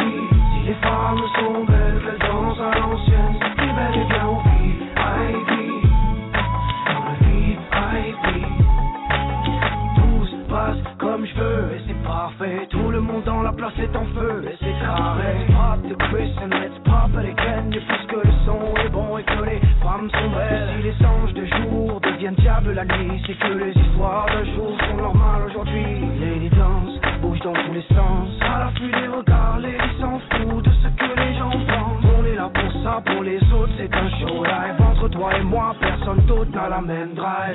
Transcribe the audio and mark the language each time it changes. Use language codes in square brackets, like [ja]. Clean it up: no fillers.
[fr] Si les femmes sont belles, qu'elles dansent à l'ancienne, c'est plus belle et bien au VIP. Dans le VIP. Tout se passe comme je veux et c'est parfait. Tout le monde dans la place est en feu et c'est carré. [en] Let's pop the Chris and let's pop it again. [fr] Et puisque le son est bon et que les femmes sont belles. Si les anges de jour deviennent diables la nuit, c'est que les histoires d'un jour sont normales aujourd'hui. Lady dance, bouge dans tous les sens. À l'affût des regards, Lady s'en fout de ce que les gens pensent. On est là pour ça, pour les autres, c'est un show live. Entre toi et moi, personne d'autre n'a la même drive.